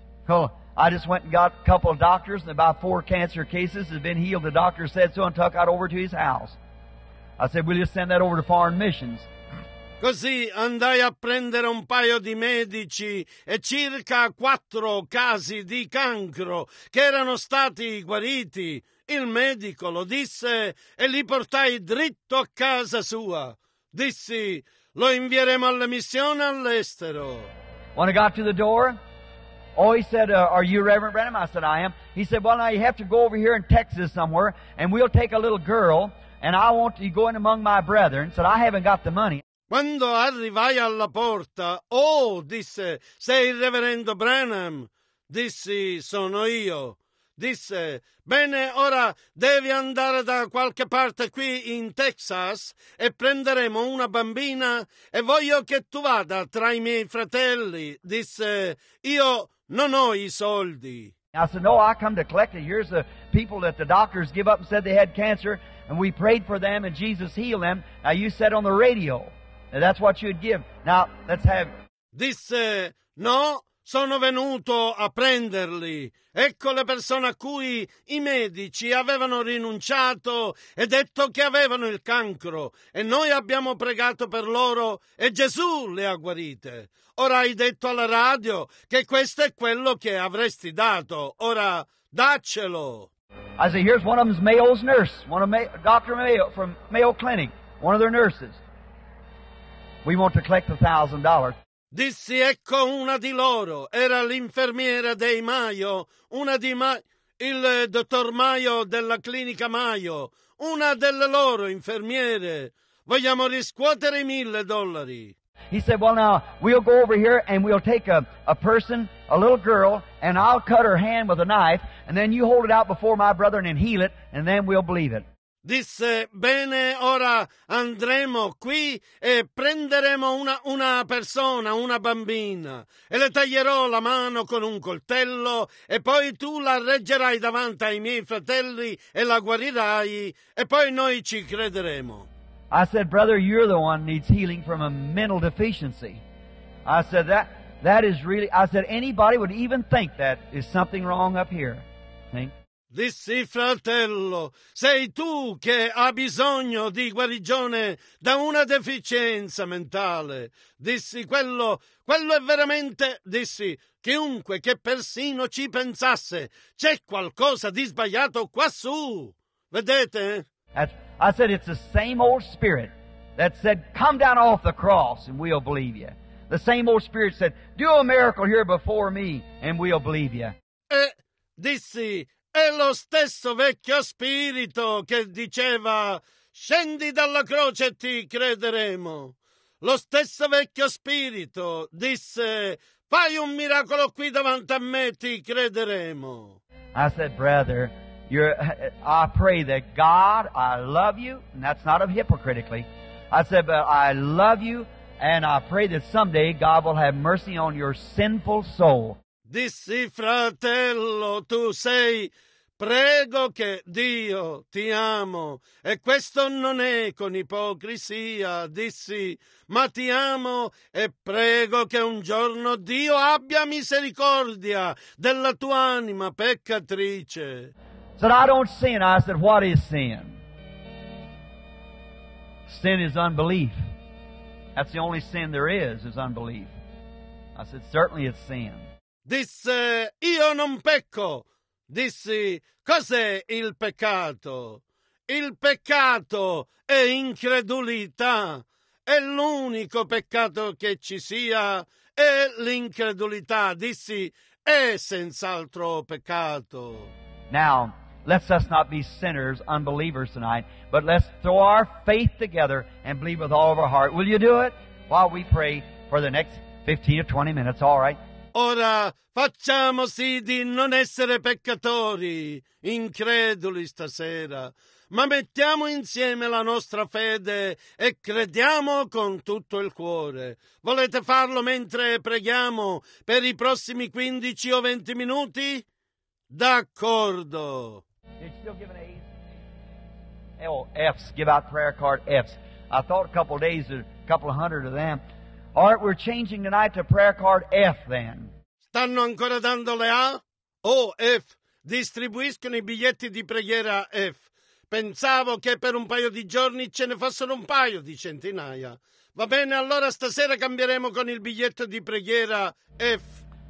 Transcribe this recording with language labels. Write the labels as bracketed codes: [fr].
[en] Oh. I just went and got a couple of doctors, and about 4 cancer cases have been healed. The doctor said so and took out over to his house. I said, will you send that over to foreign missions? [it] Così andai a prendere un paio di medici e circa 4 casi di cancro che erano stati guariti. Il medico lo disse e li portai dritto a casa sua. Dissi, lo invieremo alla missione all'estero. [en] When I got to the door, oh, he said, are you Reverend Branham? I said, I am. He said, well, now you have to go over here in Texas somewhere, and we'll take a little girl, and I want you to go in among my brethren. He said, I haven't got the money. [it] Quando arrivai alla porta, oh, disse, sei il Reverendo Branham? Dissi, sono io. Disse, bene, ora devi andare da qualche parte qui in Texas e prenderemo una bambina e voglio che tu vada tra i miei fratelli. Disse, io non ho i soldi. [en] I said, no, I come to collect it. Here's the people that the doctors give up and said they had cancer and we prayed for them and Jesus healed them. Now you said on the radio, that's what you'd give. Now let's have it. [it] Disse, no, Sono venuto a prenderli. Ecco le persone a cui i medici avevano rinunciato e detto che avevano il cancro. E noi abbiamo pregato per loro e Gesù le ha guarite. Ora hai detto alla radio che questo è quello che avresti dato. Ora daccelo. [en] I say, here's one of them's Mayo's nurse, one of Dr. Mayo from Mayo Clinic, one of their nurses. We want to collect $1,000. [it] Dissi, ecco una di loro, era l'infermiera dei Mayo, una di il dottor Mayo della clinica Mayo, una delle loro infermiere. Vogliamo riscuotere $1,000. [en] He said, well now, we'll go over here and we'll take a person, a little girl, and I'll cut her hand with a knife, and then you hold it out before my brother and heal it, and then we'll believe it. [it] Disse, bene, ora andremo qui e prenderemo una persona, una bambina, e le taglierò la mano con un coltello, e poi tu la reggerai davanti ai miei fratelli e la guarirai, e poi noi ci crederemo. [en] I said, brother, you're the one needs healing from a mental deficiency. I said, that is really, anybody would even think that is something wrong up here. Think? [it] Dissi, fratello, sei tu che ha bisogno di guarigione da una deficienza mentale. Dissi, quello è veramente, dissi, chiunque che persino ci pensasse, c'è qualcosa di sbagliato quassù. Vedete? [en] I said, it's the same old spirit that said, come down off the cross and we'll believe you. The same old spirit said, do a miracle here before me and we'll believe you. [it] E dissi, è lo stesso vecchio spirito che diceva, scendi dalla croce e ti crederemo. Lo stesso vecchio spirito disse, fai un miracolo qui davanti a me e ti crederemo. [en] I said, brother, I pray that God, I love you, and that's not of hypocritically. I said, but I love you, and I pray that someday God will have mercy on your sinful soul. [it] Dissi, fratello, tu sei, prego che Dio ti amo. E questo non è con ipocrisia, dissi, ma ti amo e prego che un giorno Dio abbia misericordia della tua anima peccatrice. [en] Said, I don't sin. I said, what is sin? Sin is unbelief. That's the only sin there is unbelief. I said, certainly it's sin. [it] Disse, io non pecco. Dissi, cos'è il peccato? Il peccato è incredulità. È l'unico peccato che ci sia, è l'incredulità. Dissi, è senz'altro peccato. [en] Now, let's us not be sinners, unbelievers tonight, but let's throw our faith together and believe with all of our heart. Will you do it? While we pray for the next 15 or 20 minutes, all right? [it] Ora, facciamo sì di non essere peccatori, increduli stasera, ma mettiamo insieme la nostra fede e crediamo con tutto il cuore. Volete farlo mentre preghiamo per i prossimi 15 o 20 minuti? D'accordo. [en] They're still giving A's. Oh, F's. Give out prayer card F's. I thought a couple of days, a couple of hundred of them. All right, we're changing tonight to prayer card F then. [it] Stanno ancora dando le A? Oh, F. Distribuiscono i biglietti di preghiera F. Pensavo che per un paio di giorni ce ne fossero un paio di centinaia. Va bene, allora stasera cambieremo con il biglietto di preghiera F.